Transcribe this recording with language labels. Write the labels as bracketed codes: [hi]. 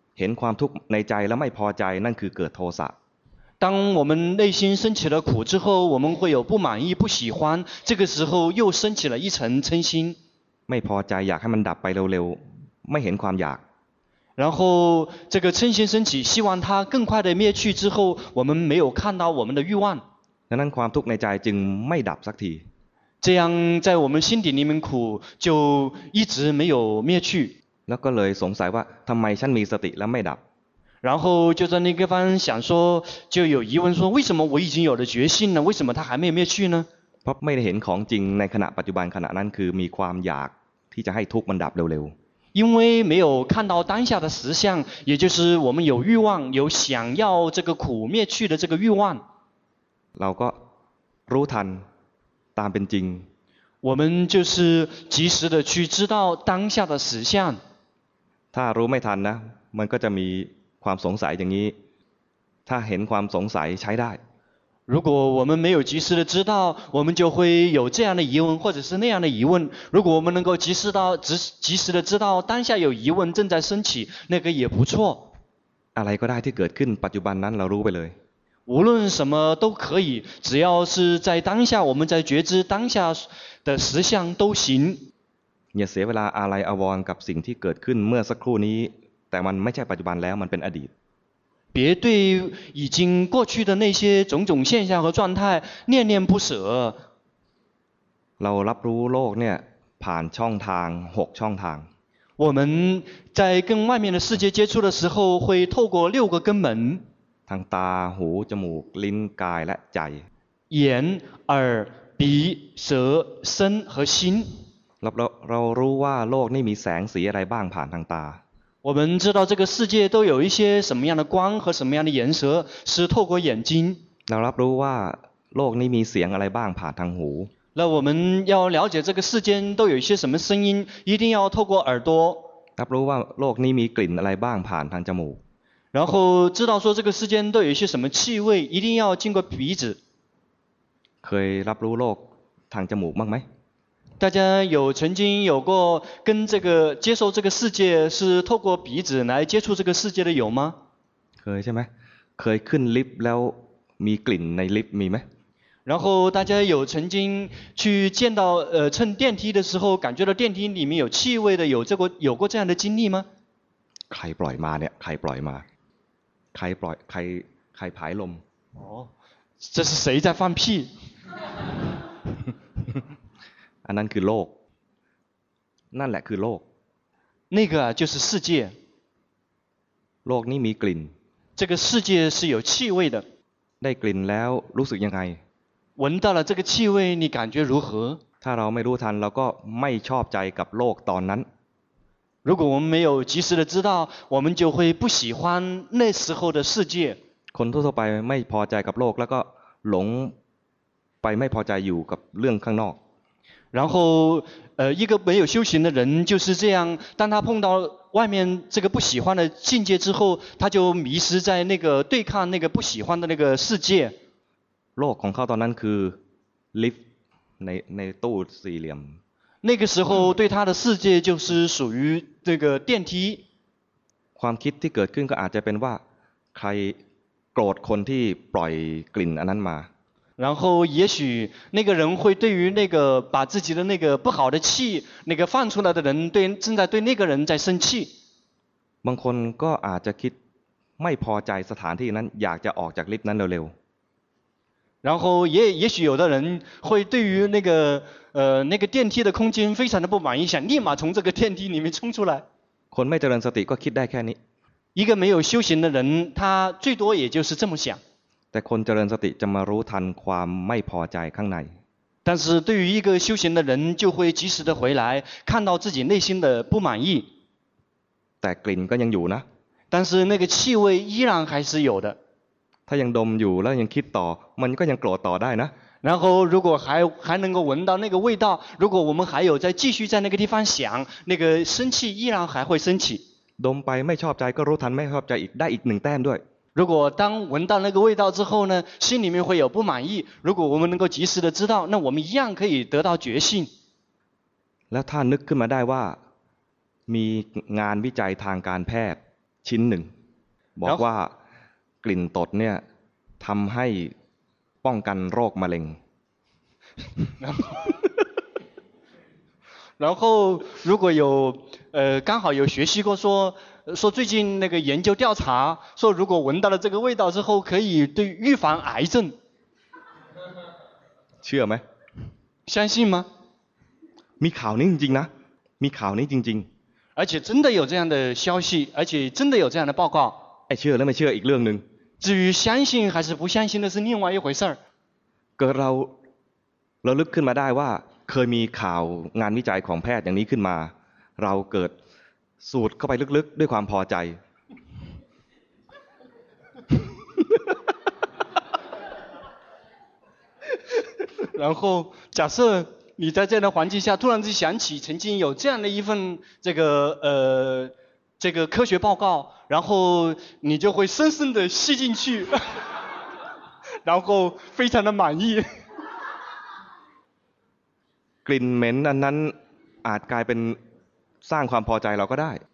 [th] เห็นความทุกข์ในใจแล้วไม่พอใจนั่นคือเกิดโทสะ [zh] 当我们内心升起了苦之后我们会有不满意不喜欢这个时候又升起了一层嗔心 [th] ไม่พอใจอยากให้มันดับไปเร็วๆไม่เห็นความอยาก [zh] 然后这个嗔心升起希望它更快的灭去之后我们没有看到我们的欲望 [th] ดังนั้นความทุกข์ในใจจึงไม่ดับสักที [zh] 这样在我们心底里面苦就一直没有灭去 [th] แล้วก็เลยสงสัยว่าทำไมฉันมีสติแล้วไม่ดับ [zh] 然后就在那个方想说就有疑问说为什么我已经有了决心了为什么它还没有灭去呢 [th] พราะไม่ได้เห็นของจริงในขณะปัจจุบันขณะนั้นคือมีความอยากที่จะให้ทุกข์มันดับเร็ว [zh] ๆ因为没有看到当下的实相也就是我们有欲望有想要这个苦灭去的这个欲望 [th] เราก็รู้ทันตามเป็นจริง [zh] 我们就是及时的去知道当下的实相 [th] ถ้ารู้ไม่ทันนะมันก็จะมีความสงสัยอย่างนี้ถ้าเห็นความสงสัยใช้ได้ [zh] 如果我们没有及时的知道我们就会有这样的疑问或者是那样的疑问如果我们能够及时的知道当下有疑问正在升起那个也不错 [th] อะไรก็ได้ที่เกิดขึ้นปัจจุบันนั้นเรารู้ไปเลย [zh] 无论什么都可以只要是在当下我们在觉知当下的实相都行 [th] อย่าเสียเวลาอะไรอาวรณ์กับสิ่งที่เกิดขึ้นเมื่อสักครู่นี้แต่มันไม่ใช่ปัจจุบันแล้วมันเป็นอดีต [zh] 别对已经过去的那些种种现象和状态念念不舍 [th] เรารับรู้โลกเนี่ยผ่านช่องทาง6ช่องทาง [zh] 我们在跟外面的世界接触的时候会透过六个根门 [th] ทางตาหูจมูกลิ้นกายและใจ [zh] 眼耳鼻舌身和心 [th] เรารู้ว่าโลกนี่มีแสงสีอะไรบ้างผ่านทางตา [zh] 我们知道这个世界都有一些什么样的光和什么样的颜色是透过眼睛 [th] เรารับรู้ว่าโลกนี่มีเสียงอะไรบ้างผ่านทางหู [zh] 那我们要了解这个世间都有一些什么声音一定要透过耳朵 [th] รับรู้ว่าโลกนี่มีกลิ่นอะไรบ้างผ่านทางจมูก [zh] 然后知道说这个世间都有一些什么气味一定要经过鼻子 [th] เคยรับรู้โลกทางจมูกบ้างไหม [zh] 大家有曾经有过跟这个接受这个世界是透过鼻子来接触这个世界的有吗？可以 [th] ใช่ไหม？ [zh] 可以 [th] ขึ้นลิฟต์แล้วมีกลิ่นในลิฟต์มีไหม？ [zh] 然后大家有曾经去见到乘电梯的时候感觉到电梯里面有气味的有过这样的经历吗？ [th] ใครปล่อยมาเนี่ยใครปล่อยมาใครปล่อยใครผายลม？ [zh] 哦，这是谁在放屁？ [th] อันนั้นคือโลกนั่นแหละคือโลก [zh] 那个就是世界 [th] โลกนี้มีกลิ่น [zh] 这个世界是有气味的 [th] ได้กลิ่นแล้วรู้สึกยังไง [zh] 闻到了这个气味你感觉如何 [th] ถ้าเราไม่รู้ทันเราก็ไม่ชอบใจกับโลกตอนนั้น [zh] 如果我们没有及时的知道我们就会不喜欢那时候的世界 [th] คนทั่วไปไม่พอใจกับโลกแล้วก็หลงไปไม่พอใจอยู่กับเรื่องข้างนอก [zh] 然后一个没有修行的人就是这样当他碰到外面这个不喜欢的境界之后他就迷失在那个对抗那个不喜欢的那个世界 [th] โลกของเขาตอนนั้นคือลิฟต์ในตู้สี่เหลี่ยม [zh] 那个时候对他的世界就是属于这个电梯 [th] ความคิดที่เกิดขึ้นก็อาจจะเป็นว่าใครโกรธคนที่ปล่อยกลิ่นอันนั้นมา [zh] 然后也许那个人会对于那个把自己的那个不好的气那个放出来的人对正在对那个人在生气 [th] บางคนก็อาจจะคิดไม่พอใจสถานที่นั้นอยากจะออกจากลิฟต์นั้นเร็ว [zh] ๆ然后也许有的人会对于那个电梯的空间非常的不满意想立马从这个电梯里面冲出来 [th] คนไม่เจริญสติก็คิดได้แค่นี้ [zh] 一个没有修行的人他最多也就是这么想 [th] แต่คนเจริญสติจะมารู้ทันความไม่พอใจข้างใน [zh] 但是对于一个修行的人就会及时的回来看到自己内心的不满意 [th] แต่กลิ่นก็ยังอยู่นะ [zh] 但是那个气味依然还是有的 [th] ถ้ายังดมอยู่แล้วยังคิดต่อมันก็ยังโกรธต่อได้นะ [zh] 然后如果还能够闻到那个味道如果我们还有再继续在那个地方想那个生气依然还会生气 [th] ดมไปไม่ชอบใจก็รู้ทันไม่ชอบใจอีกได้อีกหนึ่งแต้มด้วย [zh] 如果当闻到那个味道之后呢心里面会有不满意如果我们能够及时的知道那我们一样可以得到觉性 [th] แล้วท่านนึกขึ้นมาได้ว่ามีงานวิจัยทางการแพทย์ชิ้นหนึ่งบอกว่ากลิ่นตดเนี่ยทำให้ป้องกันโรคมะเร็ง [zh] 然后如果有刚好有学习过说最近那个研究调查说如果闻到了这个味道之后可以对预防癌症 [th] เชื่อไห [zh] ม相信吗 [th] มีข่าวนี้จริงๆนะมีข่าวนี้จริง [zh] ๆ而且真的有这样的消息而且真的有这样的报告 [th] ไอ้เชื่อแล้วไม่เชื่ออีกเรื่องนึง [zh] 至于相信还是不相信的是另外一回事 [th] ก็เรา เราลึกขึ้นมาได้ว่าเคยมีข่าวงานวิจัยของแพทย์อย่างนี้ขึ้นมาเราเกิดสูดเข้าไปลึกๆด้วยความพอใจ [zh] 然后假设你在这样的环境下突然间想起曾经有这样的一份这个科学报告，然后你就会深深的吸进去，然后非常的满意。 [th] กลิ่นเหม็นนั้นอาจกลายเป็นสร้างความพอใจเราก็ได้。